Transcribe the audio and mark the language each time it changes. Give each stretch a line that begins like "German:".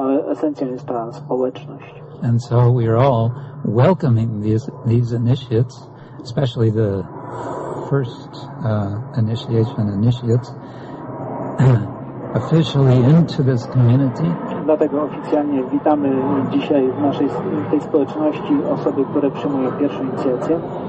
Polish: Esencją jest ta społeczność.
English: And so we are all welcoming these initiates, especially the first initiates officially into this community.
Polish: Dlatego oficjalnie witamy dzisiaj w naszej tej społeczności osoby, które przyjmują pierwszą inicjację.